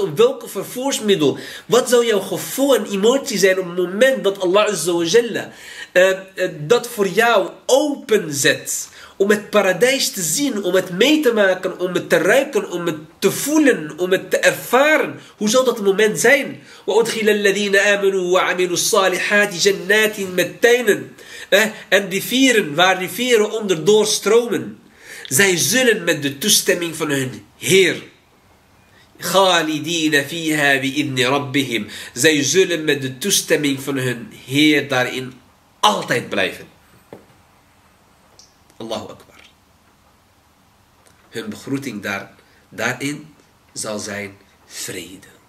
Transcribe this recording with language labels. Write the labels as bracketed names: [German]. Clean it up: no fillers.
[Dutch] Op welke vervoersmiddel? Wat zou jouw gevoel en emotie zijn op het moment dat Allah Azzawajalla dat voor jou openzet? Om het paradijs te zien, om het mee te maken, om het te ruiken, om het te voelen, om het te ervaren. Hoe zal dat moment zijn? [Arabic] وَأُدْخِلَ الَّذِينَ آمَنُوا وَعَمِلُوا الصَّالِحَاتِ جَنَّاتٍ مَتَّيْنًا [Dutch] En rivieren, waar rivieren onderdoor stromen. Zij zullen met de toestemming van hun Heer. [Arabic] خَالِدِينَ فِيهَا بِإِذْنِ رَبِّهِمْ [Dutch] Zij zullen met de toestemming van hun Heer daarin altijd blijven. Allahu Akbar. Hun begroeting daarin zal zijn vrede.